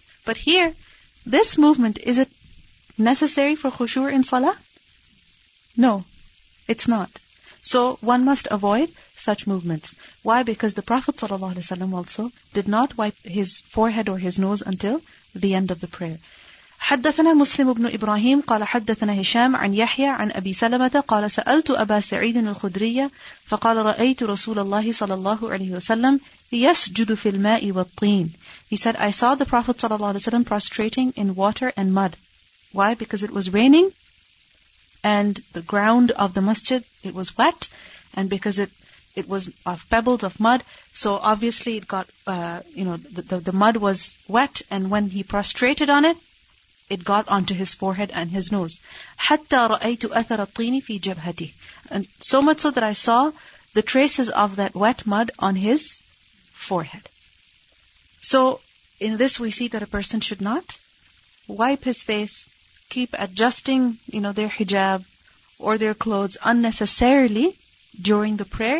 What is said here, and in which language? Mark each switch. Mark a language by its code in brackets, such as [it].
[en] But here, this movement, is it necessary for khushur in salah? No, it's not. So one must avoid such movements. Why? Because the Prophet ﷺ also did not wipe his forehead or his nose until the end of the prayer. [ar] حدثنا مسلم بن إبراهيم قال حدثنا هشام عن يحيى عن أبي سلمة قال سألت أبا سعيد الخدري فقال رأيت رسول الله صلى الله عليه وسلم يسجد في الماء والطين. [en] He said, I saw the Prophet ﷺ prostrating in water and mud. Why? Because it was raining and the ground of the masjid, it was wet, and because it was of pebbles of mud, so obviously it got, the mud was wet, and when he prostrated on it, it got onto his forehead and his nose. [ar] حَتَّى رَأَيْتُ أَثَرَ الطِّينِ فِي جَبْهَتِهِ. [en] And so much so that I saw the traces of that wet mud on his forehead. So in this we see that a person should not wipe his face, keep adjusting, you know, their hijab or their clothes unnecessarily during the prayer.